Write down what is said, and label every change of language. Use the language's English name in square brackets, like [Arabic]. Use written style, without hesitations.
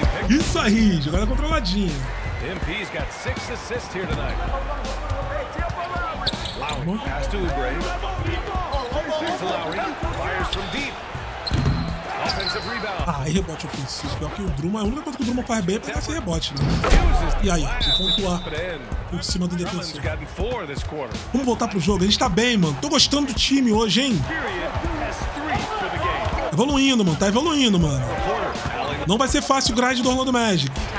[Portuguese] Isso aí, jogada controladinha. [English] MP's got 6 assists here tonight. Lowry, pass to Oubre. Here's Lowry, fires from deep. [Portuguese] Ah, e rebote ofensivo. Pior que o Drummond, a única coisa que o Drummond faz bem é pegar esse rebote, né? E aí, pontuar por cima do defensor. Vamos voltar pro jogo. A gente tá bem, mano. Tô gostando do time hoje, hein? Evoluindo, mano. Tá evoluindo, mano. Não vai ser fácil o grind do Orlando Magic.